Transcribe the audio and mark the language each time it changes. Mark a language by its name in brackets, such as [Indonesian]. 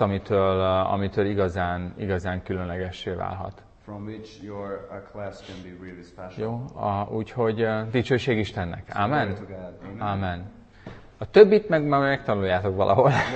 [Hungarian] amitől igazán különlegessé válhat. [English] From which your class can be really special. [Hungarian] Jó, úgyhogy dicsőség Istennek. Amen. Amen. A többit meg már megtanuljátok valahol.